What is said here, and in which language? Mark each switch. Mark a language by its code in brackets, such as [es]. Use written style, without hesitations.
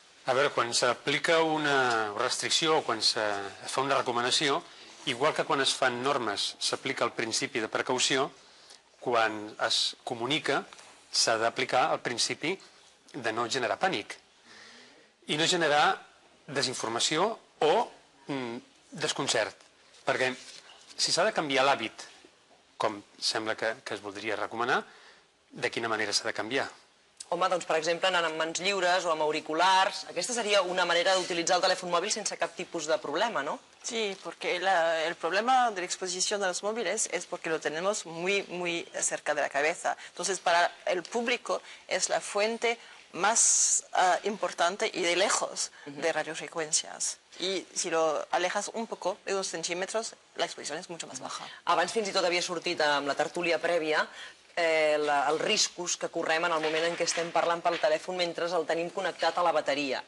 [ca] A veure, quan s'aplica una restricció o quan es fa una recomanació, igual que quan es fan normes s'aplica el principi de precaució, quan es comunica s'ha d'aplicar el principi de no generar pànic i no generar desinformació o desconcert. Perquè si s'ha de canviar l'hàbit, com sembla que es voldria recomanar, de quina manera s'ha de canviar? Home, doncs, per exemple, anant amb mans lliures o amb auriculars, aquesta seria una manera d'utilitzar el telèfon mòbil sense cap tipus de problema, no? [es] Sí, porque el problema de la exposición de los móviles es porque lo tenemos muy, muy cerca de la cabeza. Entonces, para el público es la fuente más importante y de lejos de radiofrecuencias. Y si lo alejas un poco, de 2 centímetros, la exposición es mucho más baja. [ca] Abans fins i tot havia sortit amb la tertúlia prèvia els riscos que correm en el moment en què estem parlant pel telèfon mentre el tenim connectat a la bateria.